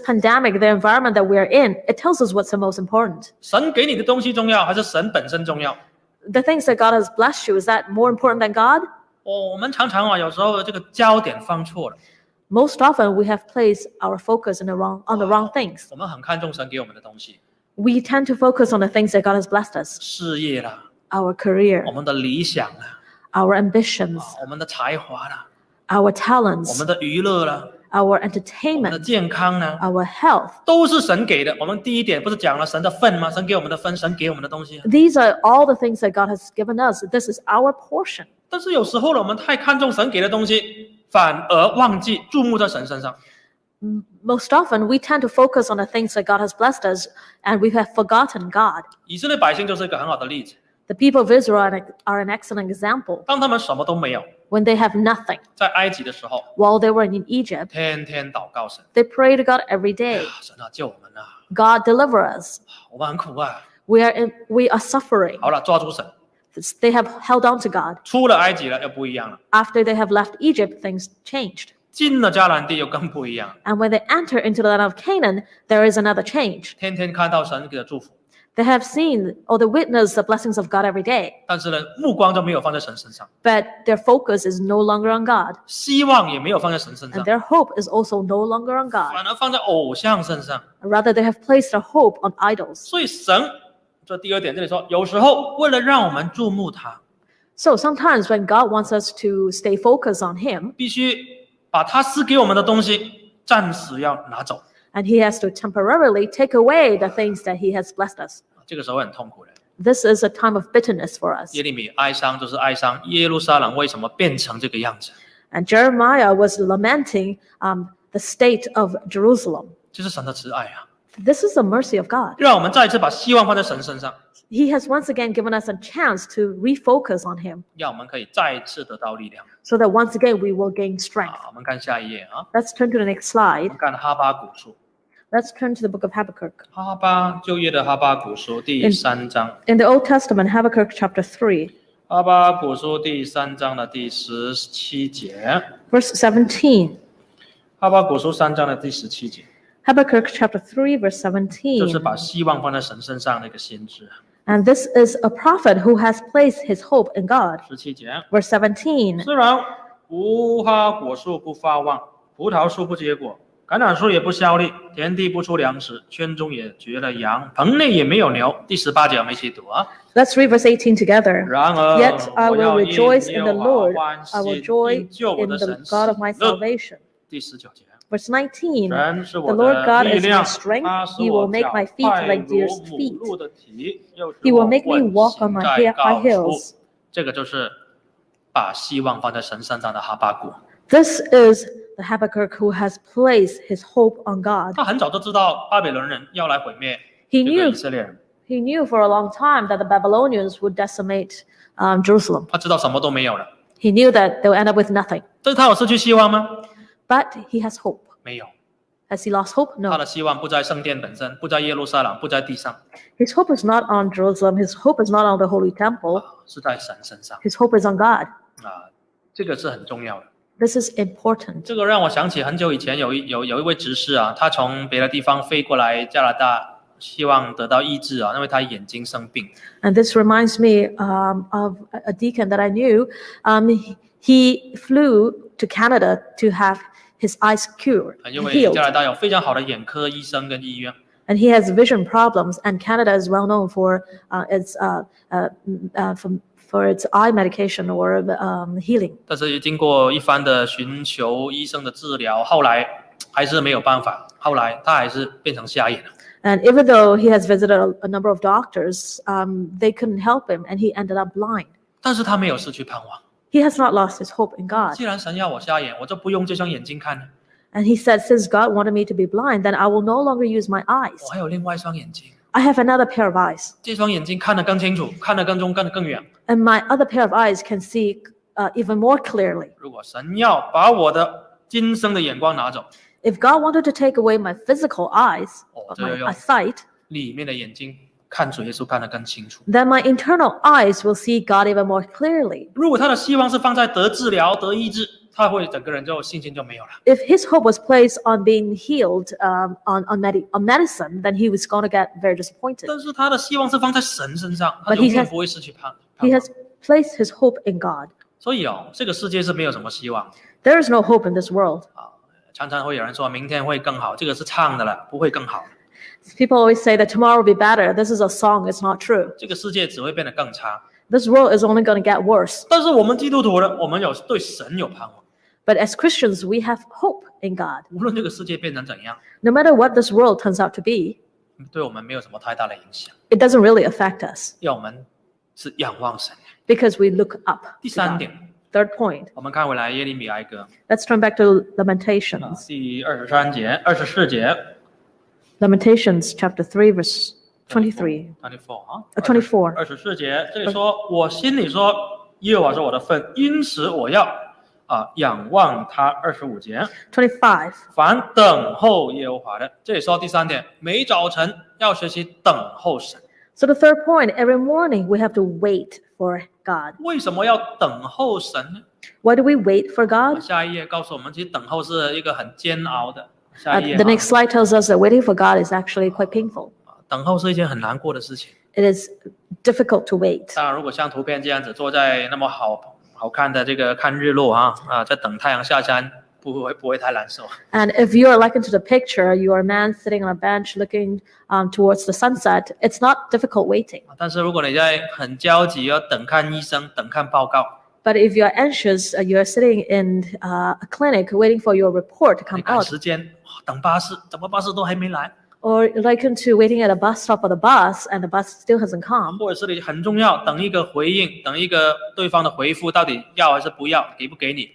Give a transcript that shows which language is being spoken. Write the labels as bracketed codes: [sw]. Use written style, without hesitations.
[en] pandemic, the environment that we are in, it tells us what's the most important. [zh] 神给你的东西重要还是神本身重要？ [en] The things that God has blessed you, is that more important than God? [zh] 我们常常有时候这个焦点放错了。 [en] Most often we have placed our focus in the wrong, on the wrong things. [zh] 我们很看重神给我们的东西。 [en] We tend to focus on the things that God has blessed us. [zh] 事业啦。 [en] Our career. [zh] 我们的理想啦。 [en] Our ambitions. [zh] 我们的才华啦。 [en] Our talents, [zh] 我们的娱乐了, [en] our entertainment, [zh] 我们的健康呢, [en] our health, [zh] 都是神给的, 我们第一点不是讲了神的份吗?神给我们的份, 神给我们的东西, [en] these are all the things that God has given us. This is our portion. [zh] 但是有时候呢, 我们太看重神给的东西, 反而忘记注目在神身上。 [en] Most often, we tend to focus on the things that God has blessed us, and we have forgotten God. [zh] 以色列百姓就是一个很好的例子。 [en] The people of Israel are an excellent example. [zh] 当他们什么都没有, [en] when they have nothing, [zh] 在埃及的时候, [en] while they were in Egypt, [zh] 天天祷告神, [en] they prayed to God every day. [zh] 神啊，救我们啊！ [en] God deliver us. [zh] 我们很苦啊！ [en] We are suffering. [zh] 好了，抓住神。 [en] They have held on to God. [zh] 出了埃及了，又不一样了。 [en] After they have left Egypt, things changed. [zh] 进了迦南地，又更不一样。 [en] And when they enter into the land of Canaan, there is another change. [zh] 天天看到神给的祝福。 [en] They have seen or they witness the blessings of God every day. [zh] 但是呢，目光都没有放在神身上。 [en] But their focus is no longer on God. [zh] 希望也没有放在神身上。 [en] And their hope is also no longer on God. [zh] 反而放在偶像身上。 [en] Rather, they have placed their hope on idols. [zh] 所以神，这第二点这里说，有时候为了让我们注目他。 [en] So sometimes when God wants us to stay focused on Him, [zh] 必须把他赐给我们的东西暂时要拿走。 [en] And he has to temporarily take away the things that he has blessed us. [zh] 这个时候很痛苦的。 [en] This is a time of bitterness for us. [zh] 耶利米哀伤就是哀伤耶路撒冷为什么变成这个样子。 [en] And Jeremiah was lamenting the state of Jerusalem. [zh] 这是神的慈爱啊。 [en] This is the mercy of God. [zh] 让我们再次把希望放在神身上。 [en] He has once again given us a chance to refocus on him. [zh] 让我们可以再次得到力量。 [en] So that once again we will gain strength. [zh] 我们看下一页啊。 [en] Let's turn to the next slide. [zh] 看哈巴谷书。 [en] Let's turn to the book of Habakkuk. [zh] 哈巴，旧约的哈巴谷书第三章。 [en] In the Old Testament, Habakkuk chapter 3. [zh] 哈巴谷书第三章的第十七节。 [en] Verse 17. [zh] 哈巴谷书三章的第十七节。 [en] Habakkuk chapter 3 verse 17. [zh] 就是把希望放在神身上的一个先知。 [en] And this is a prophet who has placed his hope in God. [zh] 十七节。 [en] Verse 17. [zh] 虽然无花果树不发旺，葡萄树不结果，橄榄树也不效力，田地不出粮食，圈中也绝了羊，棚内也没有牛。第十八节我们一起读啊。 [en] Let's read verse 18 together. [zh] 然而 [en] Yet I will rejoice in the Lord. I will joy in the God of my salvation. [zh] 第十九节。 [en] Verse 19, the Lord God is my strength. He will make my feet like deer's feet. He will make me walk on my high hills. [zh] 这个就是把希望放在神身上的哈巴谷。 [en] This is the Habakkuk who has placed his hope on God. [zh] 他很早就知道巴比伦人要来毁灭这个以色列人。 [en] He knew for a long time that the Babylonians would decimate Jerusalem. [zh] 他知道什么都没有了。 [en] He knew that they would end up with nothing. [zh] 但是他有失去希望吗？ [en] But he has hope. [zh] 没有。 [en] Has he lost hope? No. [zh] 他的希望不在圣殿本身，不在耶路撒冷，不在地上。 [en] His hope is not on Jerusalem. His hope is not on the holy temple. [zh] 是在神身上。 [en] His hope is on God. [zh] 这个是很重要的。 [en] This is important. [zh] 这个让我想起很久以前有一位执事啊，他从别的地方飞过来加拿大，希望得到医治啊，因为他眼睛生病。 [en] And this reminds me of a deacon that I knew. He flew to Canada to have his eyes cured. [zh] 因为加拿大有非常好的眼科医生跟医院。 [en] And he has vision problems, and Canada is well known for its eye medication or healing. [zh] 但是经过一番的寻求医生的治疗，后来还是没有办法，后来他还是变成瞎眼了。 [en] And even though he has visited a number of doctors, they couldn't help him, and he ended up blind. [zh] 但是他没有失去盼望。 [en] He has not lost his hope in God. [zh] 既然神要我瞎眼，我就不用这双眼睛看了。 [en] And he said, since God wanted me to be blind, then I will no longer use my eyes. [zh] 我还有另外一双眼睛。 [en] I have another pair of eyes. [zh] 这双眼睛看得更清楚，看得更中，看得更远。 [en] And my other pair of eyes can see even more clearly. [zh] 如果神要把我的今生的眼光拿走。 [en] If God wanted to take away my physical eyes, my sight, [zh] 里面的眼睛看主耶稣看得更清楚。 [en] Then my internal eyes will see God even more clearly. [zh] 如果他的希望是放在得治疗、得医治，他会整个人就信心就没有了。 [en] If his hope was placed on being healed, on medicine, then he was going to get very disappointed. [zh] 但是他的希望是放在神身上，他永远不会失去盼望。 [en] He has placed his hope in God. [zh] 所以哦，这个世界是没有什么希望。 [en] There is no hope in this world. [zh] 常常会有人说明天会更好，这个是唱的了，不会更好。 [en] People always say that tomorrow will be better. This is a song. It's not true. [zh] 这个世界只会变得更差。 [en] This world is only going to get worse. [zh] 但是我们基督徒呢，我们有对神有盼望。 [en] But as Christians, we have hope in God. [zh] 无论这个世界变成怎样 [en] ，No matter what this world turns out to be, [zh] 对我们没有什么太大的影响。 [en] It doesn't really affect us. [zh] 要我们是仰望神。 [en] Because we look up. [zh] 第三点。 [en] Third point. [zh] 我们看回来耶利米哀歌。 [en] Let's turn back to Lamentations. [zh] 第二十三节，二十四节。 [en] Lamentations chapter 3 verse 23. 24. [zh] 24节，这里说，我心里说，耶和华是我的份，因此我要仰望他。 25节。 [en] 25. [zh] 凡等候耶和华的，这里说第三点，每早晨要学习等候神。 [en] So the third point, every morning we have to wait for God. [zh] 为什么要等候神呢？ [en] Why do we wait for God? [zh] 下一页告诉我们，其实等候是一个很煎熬的。 [en] The next slide tells us that waiting for God is actually quite painful. [zh] 等候是一件很难过的事情。 [en] It is difficult to wait. [zh] 当然，如果像图片这样子坐在那么好看的这个看日落在等太阳下山，不会太难受。 [en] And if you are likened to the picture, you are a man sitting on a bench looking towards the sunset. It's not difficult waiting. [zh] 但是如果你在很焦急要等看医生、等看报告。 [en] But if you are anxious, you are sitting in a clinic waiting for your report to come out. [zh] 你赶时间，等巴士，怎么巴士都还没来 [en] ？Or likened to waiting at a bus stop for the bus, and the bus still hasn't come. [zh] 或者是你很重要，等一个回应，等一个对方的回复，到底要还是不要，给不给你？